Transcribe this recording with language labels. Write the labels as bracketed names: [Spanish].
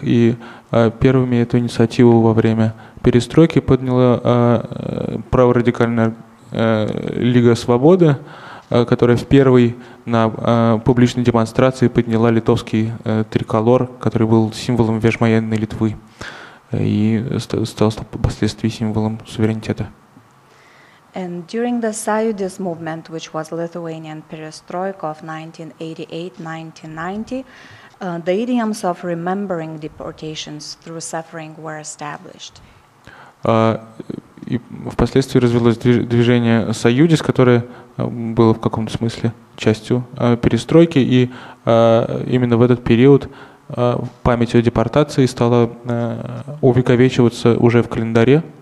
[Russian] И первыми эту инициативу во время перестройки подняла праворадикальная Лига Свободы, которая в первой на публичной демонстрации подняла литовский триколор, который был символом вежмоенной Литвы и стал впоследствии символом суверенитета. [English] And during the Sąjūdis movement, which was Lithuanian perestroika of 1988-1990, the idioms of remembering deportations through suffering were established. [Russian] И впоследствии развилось движение Союзис, которое было в каком-то смысле частью перестройки, и именно в этот период память о депортации стала увековечиваться уже в календаре.